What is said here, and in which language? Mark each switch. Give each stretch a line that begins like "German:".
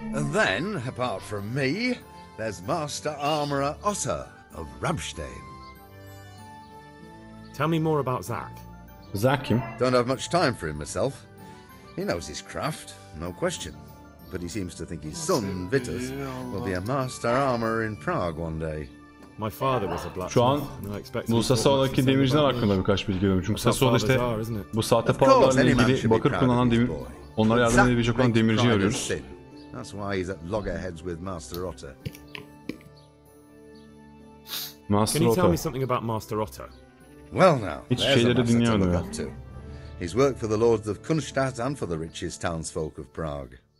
English: And then, apart from me, there's Master Armorer Otto of Rabstein. Tell me more about Zack.
Turkish: Zack kim?
English: Don't have much time for him myself. He knows his craft, no question. But he seems to think his son Vitus will be a master armorer in Prague one day. My father was a blacksmith.
Turkish: Şu an bu Sassou'daki demirciler hakkında birkaç bilgi veriyorum. Çünkü Sassou'da işte bu sahte paralarla ilgili bakır kullanan demir... Onlara yardım edebilecek olan demirciyi arıyoruz.
English: That's why he's at loggerheads with Master Otter. Master Otto. Can you tell me something about Master Otto? Well now, there's a master to look up to. He's worked for the lords of Kunstadt and for the richest townsfolk of Prague.